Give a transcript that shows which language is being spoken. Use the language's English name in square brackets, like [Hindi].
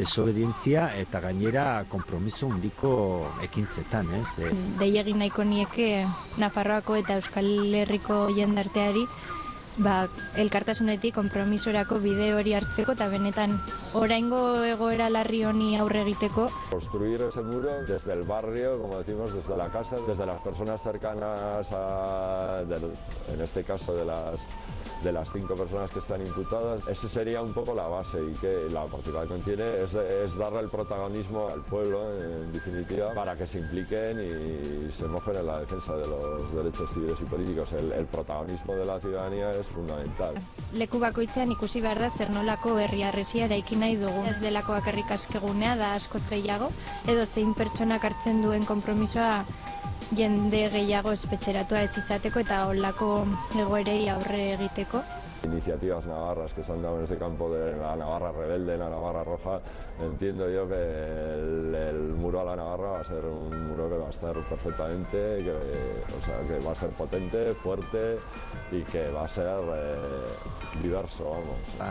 [Basque] Desobedientzia eta gainera konpromiso handiko ekintzetan, ez? Dei egin nahiko nieke Nafarroako eta Euskal Herriko jendarteari, ba, elkartasunetik konpromisorako bide hori hartzeko eta benetan oraingo egoera larri honi aurre egiteko. [Spanish] Construir ese muro desde el barrio, como decimos, desde la casa, desde las personas cercanas, en este caso de las 5 personas que están imputadas, ese sería un poco la base y que la oportunidad que tiene es darle el protagonismo al pueblo, en definitiva, para que se impliquen y se mojen en la defensa de los derechos civiles y políticos. El protagonismo de la ciudadanía es fundamental. [Basque] Leku bakoitzean ikusi behar da zer nolako herri arresia eraiki nahi dugu. Ez delako bakarrik askegunea, da askoz gehiago, edo zein pertsonak hartzen duen konpromisoa jende gehiago espetxeratua ez izateko eta holako egoerei aurre egiteko. [Spanish] Iniciativas navarras que se han dado en este campo de la Navarra rebelde, la Navarra roja, entiendo yo que el muro a la Navarra va a ser un muro que va a estar perfectamente, que va a ser potente, fuerte y que va a ser diverso, vamos.